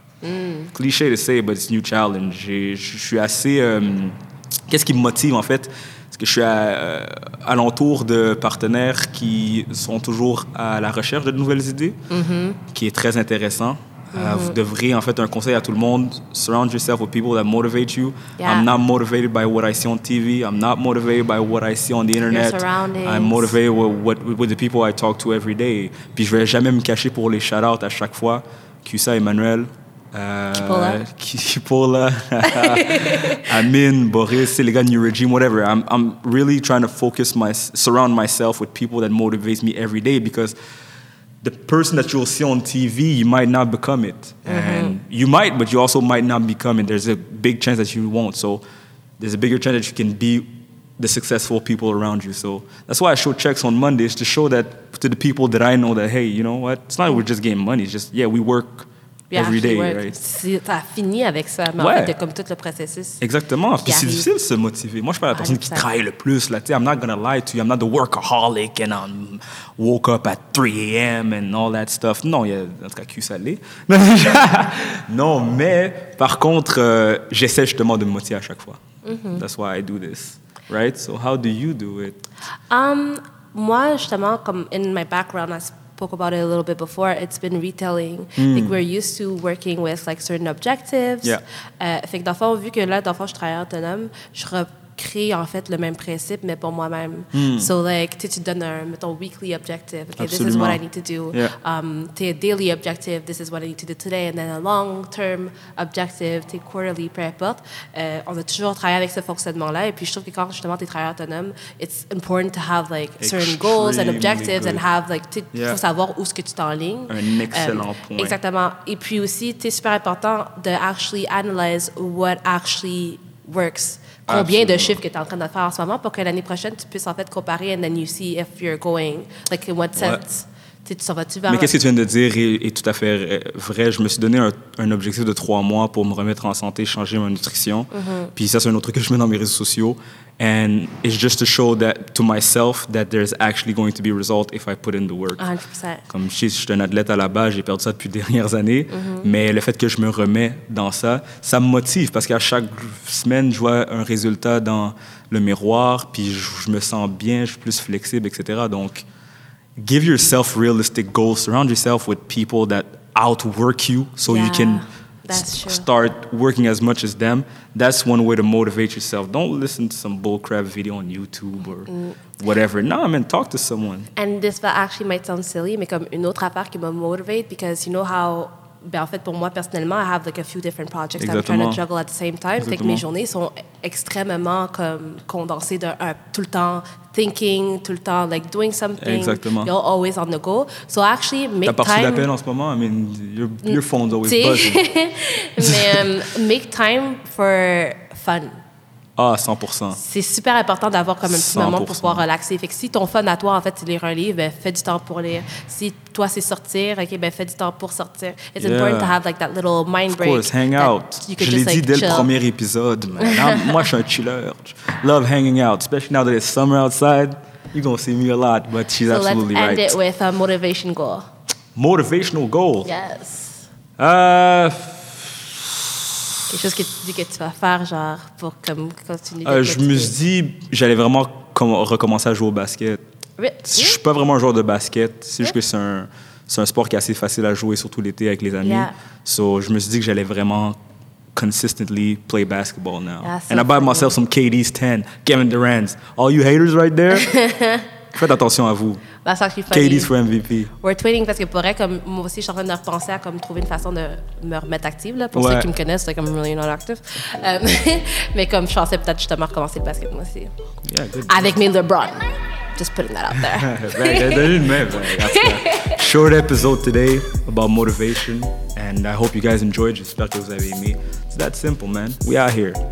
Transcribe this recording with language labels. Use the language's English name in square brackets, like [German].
[English] Cliché to say, but it's a new challenge. [French] Je suis assez... qu'est-ce qui me motive, en fait? Parce que je suis à l'entour de partenaires qui sont toujours à la recherche de nouvelles idées, qui est très intéressant. Vous devriez, en fait, un conseil à tout le monde. [English] Surround yourself with people that motivate you. Yeah. I'm not motivated by what I see on TV. I'm not motivated by what I see on the internet. I'm motivated with the people I talk to every day. [French] Puis je ne vais jamais me cacher pour les shout-outs à chaque fois. Cusa, Emmanuel... Kipola, Amin, Boris, c'est les gars New Regime, whatever. [English] I'm really trying to focus surround myself with people that motivate me every day, because the person that you'll see on TV, you might not become it. And you might, but you also might not become it. There's a big chance that you won't. So there's a bigger chance that you can be the successful people around you. So that's why I show checks on Mondays, to show that to the people that I know that, hey, you know what? It's not like we're just getting money. It's just, we work. Every day, right? [French] Ça finit avec ça, mais en fait, comme tout le processus. Exactement. Puis c'est difficile de se motiver. Moi, je suis pas la personne qui travaille le plus. [English] Là, I'm not gonna lie to you. I'm not the workaholic and I'm woke up at 3 a.m. and all that stuff. [French] Non, en tout cas, cul salé. Non, mais par contre, j'essaie justement de me motiver à chaque fois. [English] That's why I do this, right? So how do you do it? [French] Moi, justement, comme [English] in my background, I spoke about it a little bit before, it's been retailing. Like, we're used to working with like certain objectives. [French] Fait que dans le fond, vu que là, dans le fond, je travaille autonome, je recrée en fait le même principe, mais pour moi-même. [English] So like, [French] tu donnes un, mettons, [English] weekly objective. Okay, absolutely. This is what I need to do. Yeah. [French] T'es [English] daily objective, this is what I need to do today. And then a long-term objective, [French] t'es [English] quarterly, [French] peu importe. On a toujours travaillé avec ce fonctionnement-là. Et puis je trouve que quand justement t'es travailleur autonome, [English] it's important to have like certain goals and objectives and have like, [French] t'es, faut savoir où est-ce que tu t'enlignes. Un excellent point. Exactement. Et puis aussi, t'es super important de [English] actually analyze what actually works. [French] Combien de chiffres que tu es en train de faire en ce moment pour que l'année prochaine tu puisses en fait comparer [English] and then you see if you're going, like in what sense. [French] Tu s'en vas-tu vers. Mais qu'est-ce que tu viens de dire est tout à fait vrai. Je me suis donné un objectif de 3 mois pour me remettre en santé, changer ma nutrition. Puis ça, c'est un autre truc que je mets dans mes réseaux sociaux. [English] And it's just to show that to myself that there's actually going to be result if I put in the work. 100%. [French] Comme je suis un athlète à la base, j'ai perdu ça depuis les dernières années. Mais le fait que je me remets dans ça, ça me motive parce qu'à chaque semaine, je vois un résultat dans le miroir, puis je me sens bien, je suis plus flexible, etc. [English] Donc, give yourself realistic goals. Surround yourself with people that outwork you so you can... start working as much as them. That's one way to motivate yourself. Don't listen to some bullcrap video on YouTube or whatever. Nah, man, talk to someone. And this actually might sound silly, [French] mais comme une autre affaire qui me [English] motivate, because you know how, [French] ben en fait, pour moi, personnellement, [English] I have like a few different projects that I'm trying to juggle at the same time. [French] Fait que mes journées sont extrêmement comme condensées de tout le temps [English] thinking, [French] tout le temps [English] like doing something. [French] Exactement. [English] You're always on the go. So actually, make [French] t'as [English] time... [French] T'as pas reçu d'appel en ce moment? [English] I mean, your phone's always buzzing. [French] Mais [English] make time for fun. Ah, 100%. [French] C'est super important d'avoir comme un petit 100%. Moment pour pouvoir relaxer. Fait que si ton fun à toi, en fait, c'est lire un livre, ben fais du temps pour lire. Si toi, c'est sortir, OK, ben fais du temps pour sortir. [English] It's important to have like that little mind break. Of course, hang out. [French] Je l'ai dit dès le premier épisode, man. Moi, je suis un chiller. [English] Love hanging out, especially now that it's summer outside. You're going to see me a lot, but she's so absolutely right. So let's end it with a motivation goal. Motivational goal? Yes. [French] Quelque chose que tu dis que tu vas faire, genre, pour comme continuer. Je me suis dit, j'allais vraiment recommencer à jouer au basket. Oui. Je suis pas vraiment un joueur de basket. C'est juste que c'est un sport qui est assez facile à jouer, surtout l'été avec les amis. [English] So, [French] je me suis dit que j'allais vraiment [English] consistently play basketball now. And I buy myself some KD's 10, Kevin Durant's. All you haters right there, [French] Faites attention à vous. [English] That's actually funny. Katie's for MVP. We're twinning [French] parce que pour vrai, comme moi aussi, je suis en train de repenser à comme trouver une façon de me remettre active là. Pour ouais. ceux qui me connaissent, [English] like, I'm really not active. [French] mais comme je pensais peut-être justement recommencer le basket moi aussi. [English] Yeah, good. Avec mes LeBron. Just putting that out there. [French] Ben, donné une main, ben. [English] Short episode today about motivation, and I hope you guys enjoyed. [French] J'espère que vous avez aimé. [English] It's that simple, man. We are here.